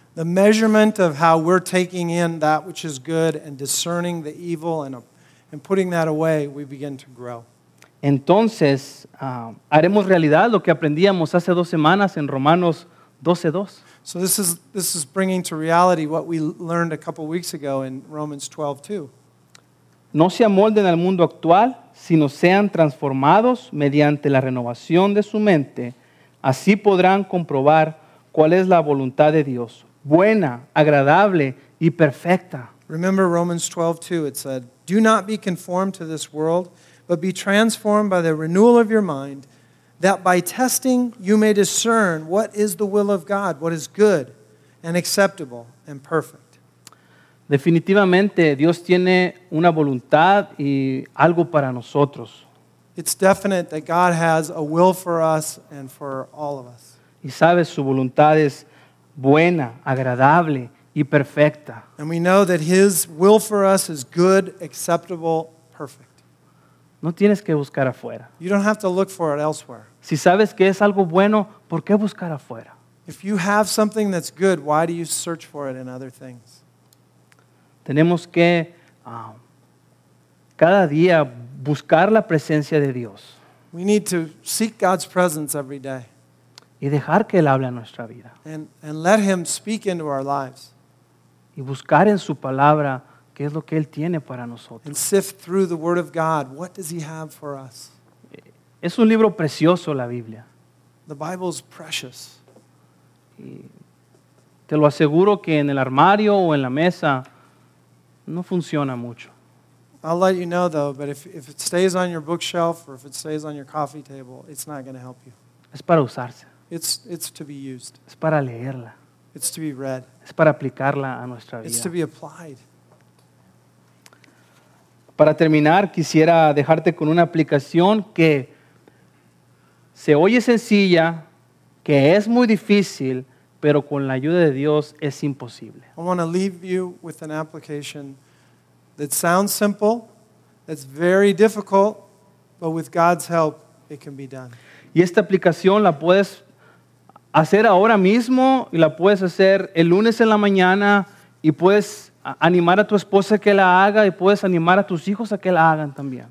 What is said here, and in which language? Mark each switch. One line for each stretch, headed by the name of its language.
English: The measurement of how we're taking in that which is good and discerning the evil and putting that away, we begin to grow.
Spanish: Entonces, haremos realidad lo que aprendíamos hace dos semanas en Romanos 12:2.
English: So this is bringing to reality what we learned a couple weeks ago in Romans 12:2.
Spanish: No se amolden al mundo actual, sino sean transformados mediante la renovación de su mente. Así podrán comprobar cuál es la voluntad de Dios, buena, agradable y perfecta.
English: Remember Romans 12:2, it said, do not be conformed to this world, but be transformed by the renewal of your mind, that by testing you may discern what is the will of God, what is good and acceptable and perfect.
Spanish: Definitivamente, Dios tiene una voluntad y algo para nosotros.
English: It's definite that God has a will for us and for all of us.
Spanish: Y sabes, su voluntad es buena, agradable y perfecta.
English: And we know that his will for us is good, acceptable, perfect.
Spanish: No tienes que buscar afuera.
English: You don't have to look for it elsewhere.
Spanish: Si sabes que es algo bueno, ¿por qué buscar afuera?
English: If you have something that's good, why do you search for it in other things?
Spanish: Tenemos que cada día buscar la presencia de Dios.
English: We need to seek God's presence every day.
Spanish: Y dejar que Él hable a nuestra vida.
English: And let Him speak into our lives.
Spanish: Y buscar en su palabra qué es lo que Él tiene para nosotros.
English: And sift through the Word of God. What does He have for us?
Spanish: Es un libro precioso, la Biblia.
English: The Bible is precious.
Spanish: Y te lo aseguro que en el armario o en la mesa no funciona mucho.
English: I'll let you know though, but if it stays on your bookshelf or if it stays on your coffee table, it's not going to help you.
Spanish: Es para usarse.
English: It's to be used.
Spanish: Es para leerla.
English: It's to be read.
Spanish: Es para aplicarla a nuestra vida.
English: It's to be applied.
Spanish: Para terminar, quisiera dejarte con una aplicación que se oye sencilla, que es muy difícil, pero con la ayuda de Dios es imposible.
English: I want to leave you with an application that sounds simple, that's very difficult, but with God's help, it can be done.
Spanish: Y esta aplicación la puedes hacer ahora mismo y la puedes hacer el lunes en la mañana y puedes animar a tu esposa que la haga y puedes animar a tus hijos a que la hagan también.